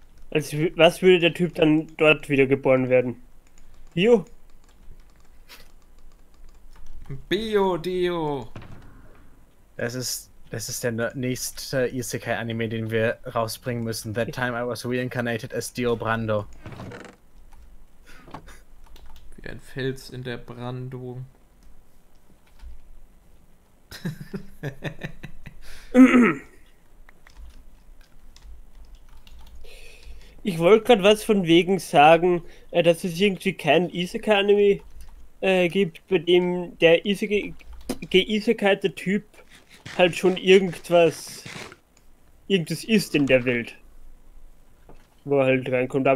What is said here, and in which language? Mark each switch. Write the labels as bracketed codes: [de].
[de] Also, was würde der Typ dann dort wiedergeboren werden? Yo? Bio Dio! Das ist der nächste Isekai-Anime, den wir rausbringen müssen. [en] That time I was reincarnated as Dio Brando. [de] Wie ein Fels in der Brandung. Ich wollte gerade was von wegen sagen, dass es irgendwie kein Isekai-Anime gibt, bei dem der geisekalte Typ halt schon irgendwas ist in der Welt, wo er halt reinkommt.